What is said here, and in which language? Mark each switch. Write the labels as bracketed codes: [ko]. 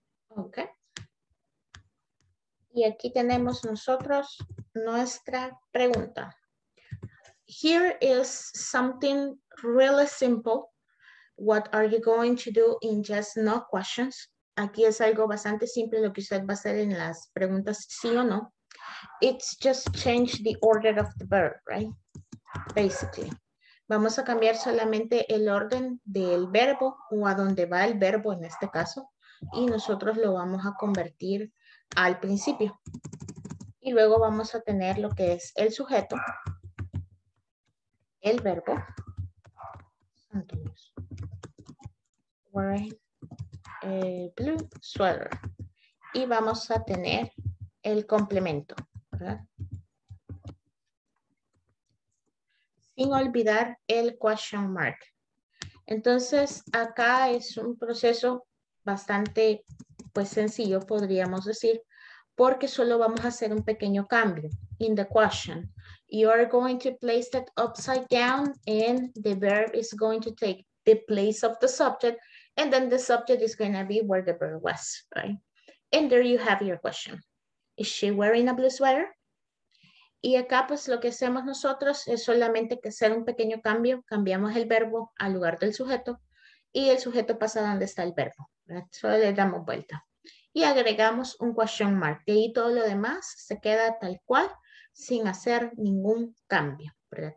[en] Okay. [es] Y aquí tenemos nosotros nuestra pregunta. [en] Here is something really simple. What are you going to do in just no questions? [es] Aquí es algo bastante simple lo que usted va a hacer en las preguntas sí o no. [en] It's just change the order of the verb, right? Basically. [es] Vamos a cambiar solamente el orden del verbo o a dónde va el verbo en este caso. Y nosotros lo vamos a convertir al principio. Y luego vamos a tener lo que es el sujeto, el verbo. [en] Entonces, wearing a blue sweater. [es] Y vamos a tener el complemento, ¿verdad? Sin olvidar el question mark. Entonces, acá es un proceso bastante pues sencillo, podríamos decir, porque solo vamos a hacer un pequeño cambio. [en] In the question, you are going to place that upside down and the verb is going to take the place of the subject and then the subject is going to be where the verb was, right? And there you have your question. Is she wearing a blue sweater? [es] Y acá pues lo que hacemos nosotros es solamente que hacer un pequeño cambio, cambiamos el verbo al lugar del sujeto y el sujeto pasa donde está el verbo, ¿verdad? Solo le damos vuelta. Y agregamos un question mark. De ahí todo lo demás se queda tal cual sin hacer ningún cambio, ¿verdad?